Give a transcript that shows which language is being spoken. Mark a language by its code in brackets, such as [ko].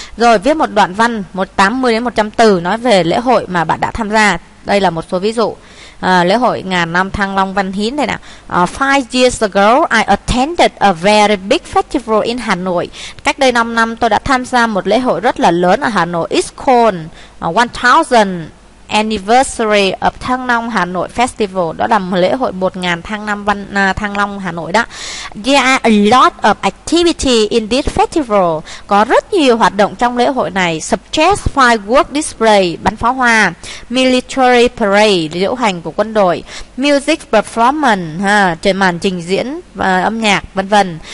[vi] Rồi viết một đoạn văn 80 đến 100 từ nói về lễ hội mà bạn đã tham gia. Đây là một số ví dụ. Lễ hội ngàn năm Thăng Long Văn Hiến đây nè. [en] 5 years ago, I attended a very big festival in Hà Nội. [vi] Cách đây 5 năm, tôi đã tham gia một lễ hội rất là lớn ở Hà Nội. [en] It's called 1000 anniversary of Thăng Long Hà Nội Festival. [vi] Đó là một lễ hội 1000 Thăng Long Thăng Long Hà Nội đó. [en] There are a lot of activity in this festival. [vi] Có rất nhiều hoạt động trong lễ hội này. [en] Such as firework display, [vi] bắn pháo hoa. [en] Military parade, [vi] diễu hành của quân đội. [en] Music performance, [vi] trên màn trình diễn âm nhạc, vân vân.